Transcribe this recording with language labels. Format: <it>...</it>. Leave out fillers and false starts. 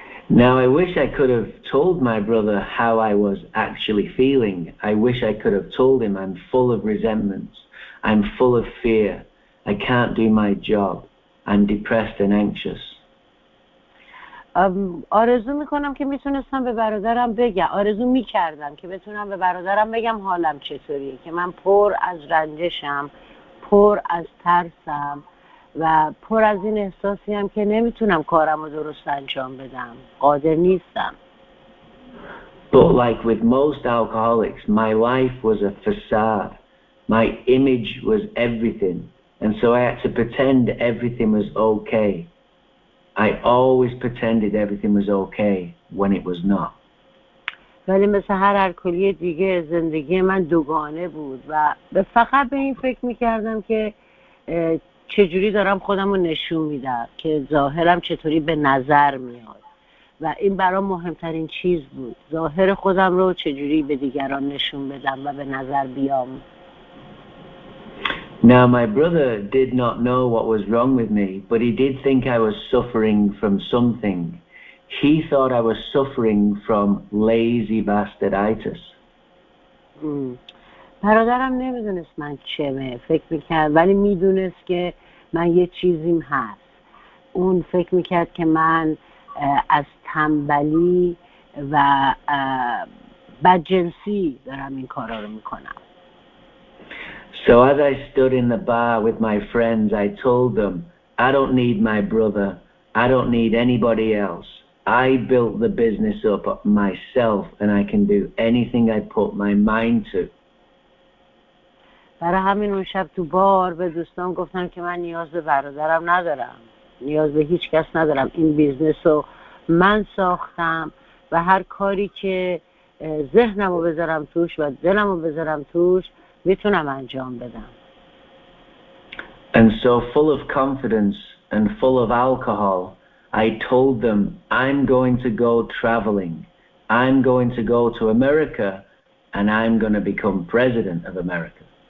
<en>Now I wish I could have told my brother how I was actually feeling. I wish I could have told him I'm full of resentments. I'm full of fear. I can't do my job. I'm depressed and anxious.</en> <fa>آرزو میکنم که میتونستم به برادرم بگم، آرزو میکردم که بتونم به برادرم بگم حالم چطوریه، که من پر از رنجشم، پر از ترسم و پر از این احساسیم که نمیتونم کارمو درست انجام بدم، قادر نیستم.</fa> <en>But like with most alcoholics, my life was a facade. My image was everything. And so I had to pretend everything was okay. I always pretended everything was okay when it was not.</en> <fa>ولی مثل هر الکلی دیگه زندگی من دوگانه بود و فقط به این فکر میکردم که چجوری دارم خودم رو نشون میدم، که ظاهرم چطوری به نظر میاد و این برام مهمترین چیز بود، ظاهر خودم رو چجوری به دیگران نشون بدم و به نظر بیام.</fa> <en>Now my brother did not know what was wrong with me, but he did think I was suffering from something. He thought I was suffering from lazy bastarditis.</en> <fa>برادرم نمیدونست من چمه، فکر میکرد، ولی میدونست که من یه چیزیم هست. اون فکر میکرد که من از تنبلی و بدجنسی دارم این کارا رو میکنم.</fa> <en>So as I stood in the bar with my friends, I told them, I don't need my brother. I don't need anybody else. I built the business up myself and I can do anything I put my mind to.</en> <fa>برای همین اون شب تو بار به دوستان گفتم که من نیاز به برادرم ندارم. نیاز به هیچ کس ندارم. این بیزنس رو من ساختم و هر کاری که ذهنم رو بذارم توش و دلم رو بذارم توش میتونم انجام بدم.</fa> <en>And so full of confidence and full of alcohol, I told them I'm going to go traveling. I'm going to go to America and I'm going to become president of America.</en>